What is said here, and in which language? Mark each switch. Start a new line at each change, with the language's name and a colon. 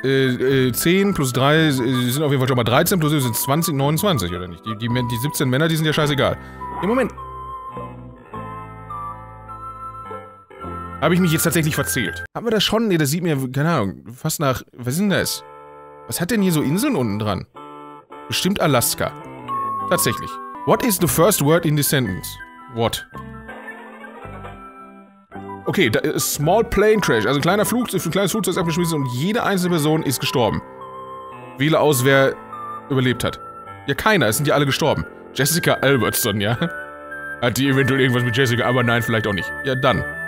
German: 10 plus 3 sind auf jeden Fall schon mal 13, plus 7 sind 20, 29, oder nicht? Die 17 Männer, die sind ja scheißegal. Ja, Moment. Habe ich mich jetzt tatsächlich verzählt? Haben wir das schon? Nee, das sieht mir, keine Ahnung, fast nach... Was ist denn das? Was hat denn hier so Inseln unten dran? Bestimmt Alaska. Tatsächlich.
English: What is the first word in the sentence? What?
German: Okay, da ist
English: small plane crash.
German: Also ein kleines Flugzeug ist abgeschmissen und jede einzelne Person ist gestorben. Wähle aus, wer überlebt hat. Ja, keiner. Es sind ja alle gestorben. Jessica Albertson, ja? Hat die eventuell irgendwas mit Jessica? Aber nein, vielleicht auch nicht. Ja, dann.